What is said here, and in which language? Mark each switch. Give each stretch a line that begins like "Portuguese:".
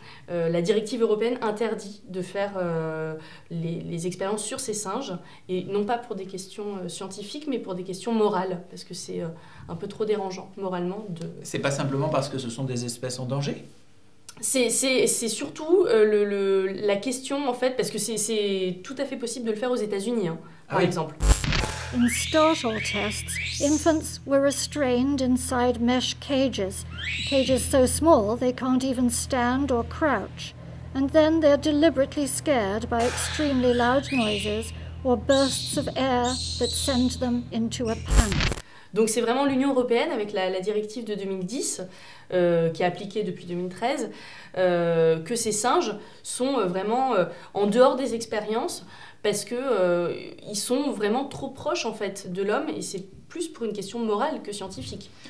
French: La directive européenne interdit de faire les expériences sur ces singes, et non pas pour des questions scientifiques, mais pour des questions morales, parce que c'est un peu trop dérangeant, moralement. C'est pas simplement parce que ce sont des espèces en danger ? C'est surtout la question, en fait, parce que c'est tout à fait possible de le faire aux États-Unis, hein, par exemple.
English: In startle tests, infants were restrained inside mesh cages. Cages so small they can't even stand or crouch. And then they're deliberately scared by extremely loud noises or bursts of air that send them into a panic.
French: Donc c'est vraiment l'Union européenne avec la directive de 2010 qui est appliquée depuis 2013 que ces singes sont vraiment en dehors des expériences parce que ils sont vraiment trop proches en fait de l'homme, et c'est plus pour une question morale que scientifique.